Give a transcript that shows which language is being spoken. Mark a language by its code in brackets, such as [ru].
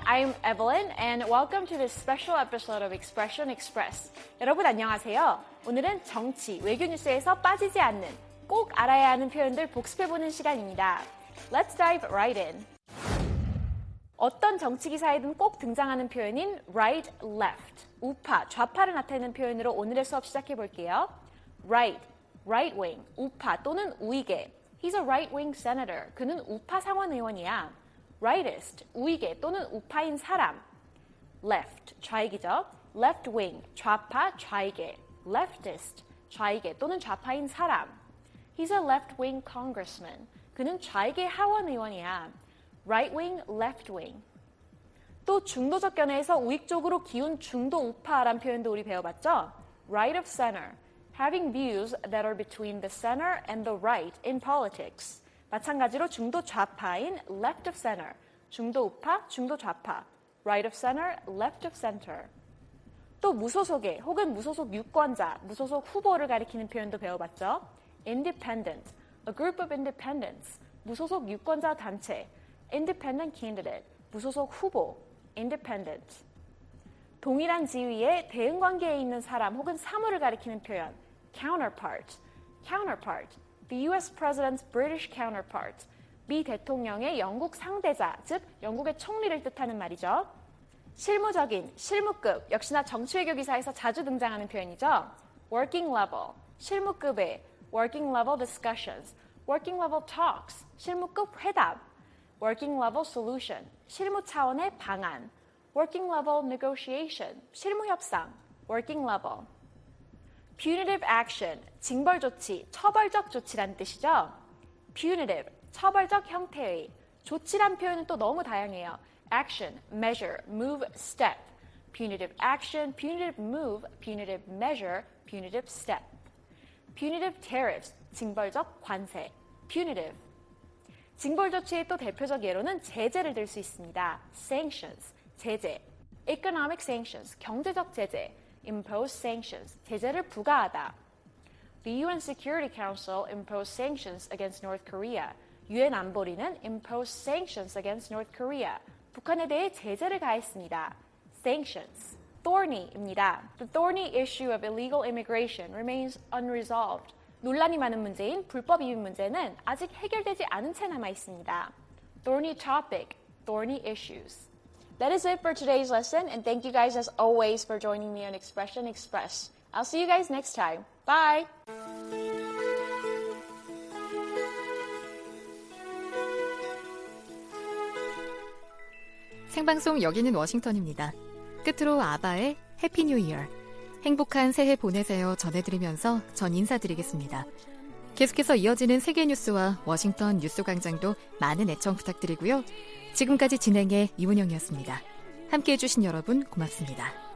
[en] I'm Evelyn and welcome to this special episode of Expression Express. [ko] 여러분 안녕하세요. 오늘은 정치, 외교 뉴스에서 빠지지 않는 꼭 알아야 하는 표현들 복습해 보는 시간입니다. [en] Let's dive right in. [ko] 어떤 정치 기사에든 꼭 등장하는 표현인 right, left, 우파, 좌파를 나타내는 표현으로 오늘의 수업 시작해 볼게요. [en] Right, right wing, [ko] 우파 또는 우익에. [en] He's a right-wing senator. [ko] 그는 우파 상원 의원이야. Rightist, 우익에 또는 우파인 사람. Left, 좌익이죠. Left-wing, 좌파, 좌익에. Leftist, 좌익에 또는 좌파인 사람. [en] He's a left-wing congressman. [ko] 그는 좌익의 하원 의원이야. [en] Right-wing, left-wing. [ko] 또 중도적 견해에서 우익 쪽으로 기운 중도 우파란 표현도 우리 배워봤죠? [en] Right of center. Having views that are between the center and the right in politics. [ko] 마찬가지로 중도 좌파인 left of center. 중도 우파, 중도 좌파. [en] Right of center, left of center. [ko] 또 무소속의 혹은 무소속 유권자, 무소속 후보를 가리키는 표현도 배워봤죠. [en] Independent, a group of independents. [ko] 무소속 유권자 단체. [en] Independent candidate, [ko] 무소속 후보. [en] Independent. [ko] 동일한 지위에 대응 관계에 있는 사람 혹은 사물을 가리키는 표현. [en] Counterpart, counterpart, the U.S. President's British counterpart, [ko] 미 대통령의 영국 상대자, 즉 영국의 총리를 뜻하는 말이죠. 실무적인, 실무급, 역시나 정치 외교 기사에서 자주 등장하는 표현이죠. [en] Working level, [ko] 실무급의, [en] working level discussions, working level talks, [ko] 실무급 회담, [en] working level solution, [ko] 실무 차원의 방안, [en] working level negotiation, [ko] 실무 협상, [en] working level. Punitive action, [ko] 징벌 조치, 처벌적 조치라는 뜻이죠. Punitive, 처벌적 형태의. 조치란 표현은 또 너무 다양해요. [en] Action, measure, move, step. Punitive action, punitive move, punitive measure, punitive step. Punitive tariffs, [ko] 징벌적 관세. [en] Punitive. [ko] 징벌 조치의 또 대표적 예로는 제재를 들 수 있습니다. [en] Sanctions, [ko] 제재. [en] Economic sanctions, [ko] 경제적 제재. [en] Impose sanctions, [ko] 제재를 부과하다. [en] The UN Security Council imposed sanctions against North Korea. [ko] UN 안보리는 [en] imposed sanctions against North Korea. [ko] 북한에 대해 제재를 가했습니다. [en] Sanctions, thorny입니다. The thorny issue of illegal immigration remains unresolved. [ko] 논란이 많은 문제인 불법 이민 문제는 아직 해결되지 않은 채 남아있습니다. [en] Thorny topic, thorny issues. That is it for today's lesson, and thank you guys as always for joining me on Expression Express. I'll see you guys next time. Bye! [ko] Sing방송 여기는 워싱턴입니다. 끝으로 아바의 Happy New Year. 행복한 새해 보내세요 전해드리면서 전 인사드리겠습니다. 계속해서 이어지는 세계 뉴스와 워싱턴 뉴스 광장도 많은 애청 부탁드리고요. 지금까지 진행해 이문영이었습니다. 함께해 주신 여러분 고맙습니다.